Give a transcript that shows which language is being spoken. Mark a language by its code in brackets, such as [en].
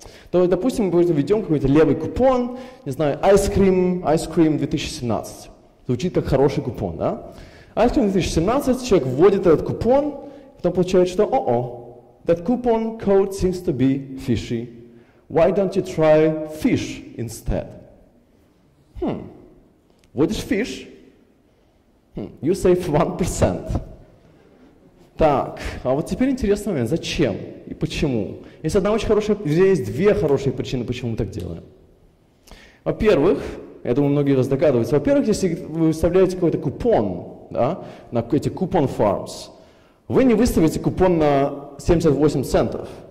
[ru] То, допустим, мы введем какой-то левый купон, не знаю, ice cream 2017. Звучит как хороший купон, да? [en] Ice cream 2017, [ru] человек вводит этот купон, потом получает, что [en] that coupon code seems to be fishy. Why don't you try fish instead? [ru] Вводишь fish? [en] You save 1%. [ru] Так, а вот теперь интересный момент. Зачем и почему? Есть одна очень хорошая, вернее, есть две хорошие причины, почему мы так делаем. Во-первых, я думаю, многие из вас догадываются, во-первых, если вы выставляете какой-то купон, да, на эти coupon farms, вы не выставите купон на 78 центов.